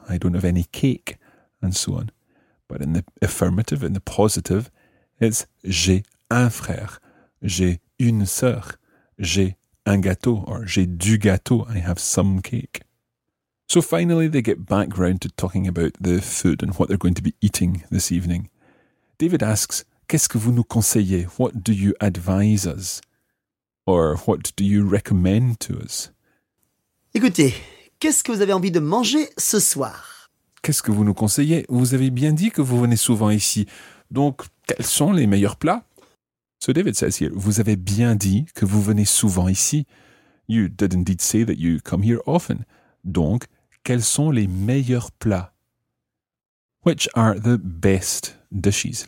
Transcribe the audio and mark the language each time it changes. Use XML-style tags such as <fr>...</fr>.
<en>I don't have any cake. And so on. But in the affirmative, in the positive, it's</en> <fr>j'ai un frère. J'ai une sœur. J'ai un gâteau.</fr> <en>Or</en> <fr>j'ai du gâteau.</fr> <en>I have some cake. So finally, they get back round to talking about the food and what they're going to be eating this evening. David asks,</en> <fr>qu'est-ce que vous nous conseillez?</fr> <en>What do you advise us? Or what do you recommend to us?</en> <fr>Écoutez, qu'est-ce que vous avez envie de manger ce soir? Qu'est-ce que vous nous conseillez? Vous avez bien dit que vous venez souvent ici. Donc, quels sont les meilleurs plats?</fr> <en>So David says here,</en> <fr>vous avez bien dit que vous venez souvent ici.</fr> <en>You did indeed say that you come here often.</en> <fr>Donc, quels sont les meilleurs plats?</fr> <en>Which are the best dishes?</en>